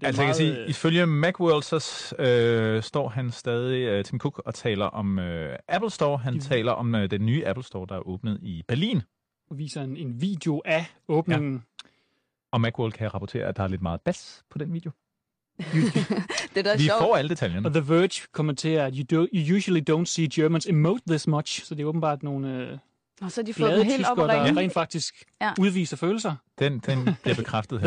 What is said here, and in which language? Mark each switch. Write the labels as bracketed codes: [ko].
[da] Altså, jeg kan sige, ifølge Macworld, så står han stadig, Tim Cook, og taler om Apple Store. Han taler om den nye Apple Store, der er åbnet i Berlin. Og viser en video af åbningen. Ja. Og Macworld kan rapportere, at der er lidt meget bas på den video. Det er vi sjovt. Får alle detaljerne. Og The Verge kommenterer, at [en] you usually don't see Germans emote this much. [da] Så det er åbenbart nogle glade tyskere, der rent faktisk udviser følelser. Den bliver bekræftet her.